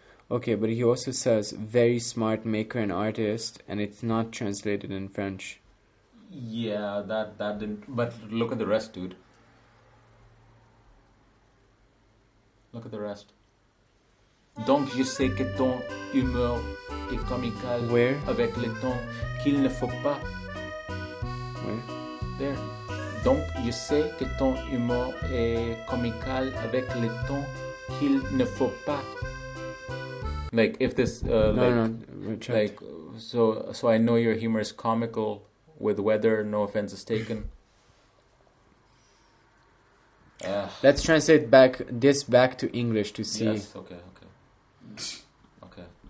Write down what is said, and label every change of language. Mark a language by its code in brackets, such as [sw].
[en] Okay, but he also says very smart maker and artist, and it's not translated in French. Yeah, that didn't... But look at the rest, dude. Look at the rest. [fr] Donc je sais que ton humeur est comical. [en] Where? [fr] Avec le temps qu'il ne faut pas. [en] Where? There. [fr] Donc je sais que ton humeur est comical avec le temps qu'il ne faut pas. [en] Like if this so I know your humor is comical with weather, no offense is taken. Let's translate back to English to see. Yes, okay. Okay.